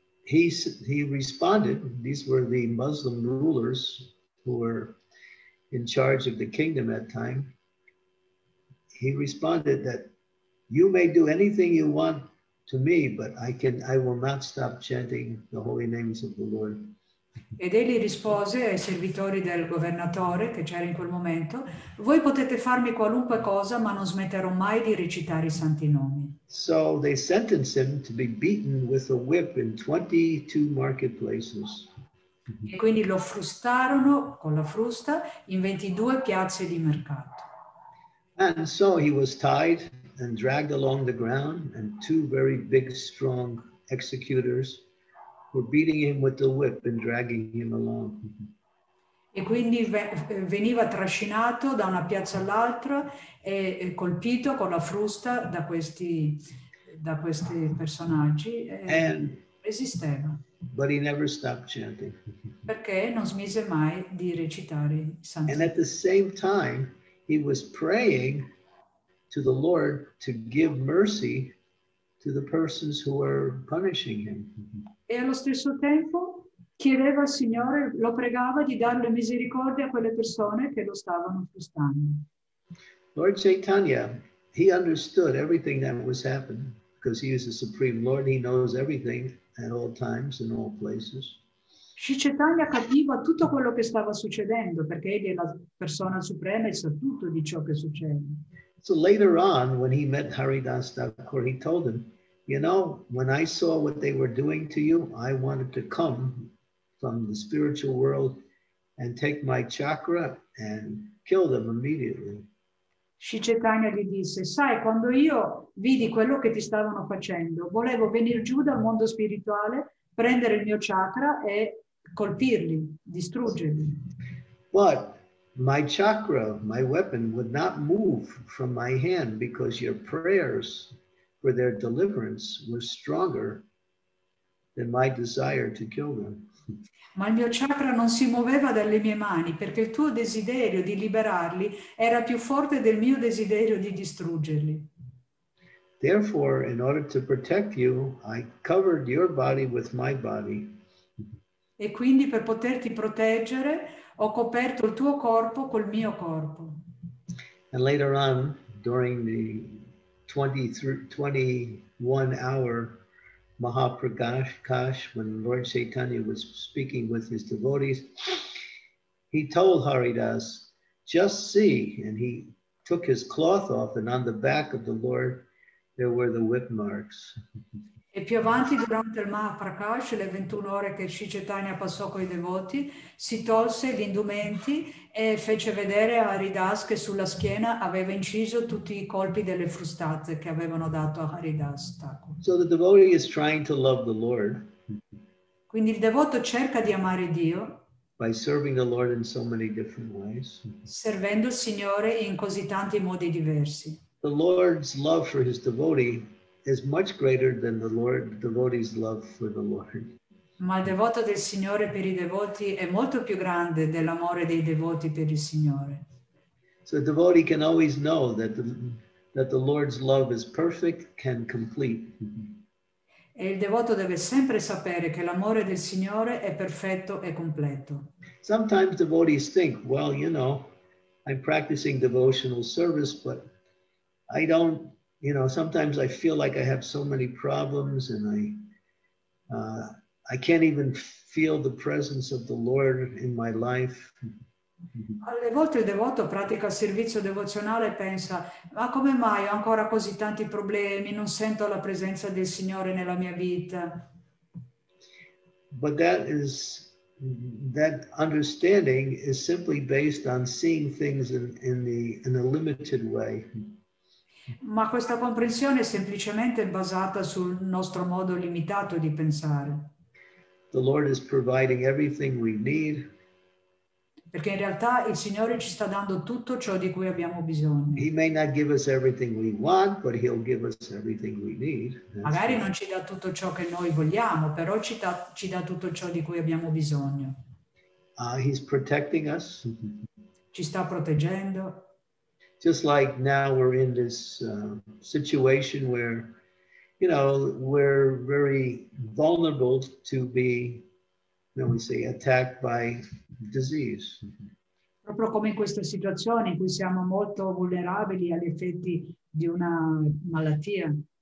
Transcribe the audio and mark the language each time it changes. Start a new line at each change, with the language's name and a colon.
English: And he responded, these were the Muslim rulers who were in charge of the kingdom at time. He responded that you may do anything you want to me, but I will not stop chanting the holy names of the Lord.
Italian: Ed egli rispose ai servitori del governatore che c'era in quel momento: voi potete farmi qualunque cosa, ma non smetterò mai di recitare i santi nomi.
English: So they sentenced him to be beaten with a whip in 22 marketplaces.
Italian: E quindi lo frustarono con la frusta in 22 piazze di mercato.
English: And so he was tied and dragged along the ground, and two very big, strong executors were beating him with the whip and dragging him along.
Italian: E quindi veniva trascinato da una piazza all'altra e colpito con la frusta da questi personaggi e resisteva.
English: But he never stopped chanting.
Italian: Perché non smise mai di recitare i santi.
English: And at the same time, he was praying to the Lord to give mercy to the persons who were punishing him.
Italian: E allo stesso tempo chiedeva al Signore, lo pregava di darle misericordia a quelle persone che lo stavano frustando.
English: Lord Chaitanya, he understood everything that was happening because he is the Supreme Lord. He knows everything at all times and all places.
Italian: Sri Chaitanya capiva tutto quello che stava succedendo perché egli è la persona suprema e sa tutto di ciò che succede.
English: So later on, when he met Haridas Thakur, he told him, you know, when I saw what they were doing to you, I wanted to come from the spiritual world and take my chakra and kill them immediately.
Italian: Sri Chaitanya gli disse, sai, quando io vidi quello che ti stavano facendo, volevo venire giù dal mondo spirituale, prendere il mio chakra e colpirli, distruggerli.
English: But my chakra, my weapon, would not move from my hand because your prayers for their deliverance were stronger than my desire to kill them.
Italian: Ma il mio chakra non si muoveva dalle mie mani perché il tuo desiderio di liberarli era più forte del mio desiderio di distruggerli.
English: Therefore, in order to protect you, I covered your body with my body.
Italian: E quindi per poterti proteggere, ho coperto il tuo corpo col mio corpo.
English: And later on, during the 21 hour Mahaprakash, when Lord Chaitanya was speaking with his devotees, he told Haridas, just see, and he took his cloth off, and on the back of the Lord, there were the whip marks.
Italian: E più avanti, durante il Mahaprakash, le 21 ore che Sri Chaitanya passò con i devoti, si tolse gli indumenti e fece vedere a Haridas che sulla schiena aveva inciso tutti i colpi delle frustate che avevano dato a Haridas.
English: So the devotee is trying to love the Lord.
Italian: Quindi il devoto cerca di amare Dio.
English: By serving the Lord in so many different ways.
Italian: Servendo il Signore in così tanti modi diversi.
English: The Lord's love for his devotee is much greater than the Lord devotee's love for the Lord.
Italian: Ma il devoto del Signore per i devoti è molto più grande dell'amore dei devoti per il Signore.
English: So the devotee can always know that the Lord's love is perfect and complete.
Italian: E il devoto deve sempre sapere che l'amore del Signore è perfetto e completo.
English: Sometimes devotees think, well, you know, I'm practicing devotional service, but I don't, you know, sometimes I feel like I have so many problems and I can't even feel the presence of the Lord in my life.
Italian: Alle volte il devoto pratica il servizio devozionale e pensa, ma come mai ho ancora così tanti problemi, non sento la presenza del Signore nella mia vita?
English: But that understanding is simply based on seeing things in a limited way.
Italian: Ma questa comprensione è semplicemente basata sul nostro modo limitato di pensare.
English: The Lord is providing everything we need.
Italian: Perché in realtà il Signore ci sta dando tutto ciò di cui abbiamo bisogno.
English: He may not give us everything we want, but he'll give us everything we need. That's
Italian: Magari non ci dà tutto ciò che noi vogliamo, però ci dà tutto ciò di cui abbiamo bisogno.
English: He's protecting us.
Italian: Ci sta proteggendo.
English: Just like now we're in this situation where, you know, we're very vulnerable to be, then we say, attacked by disease.
Italian: Proprio come in questa situazione in cui siamo molto vulnerabili agli effetti di una malattia.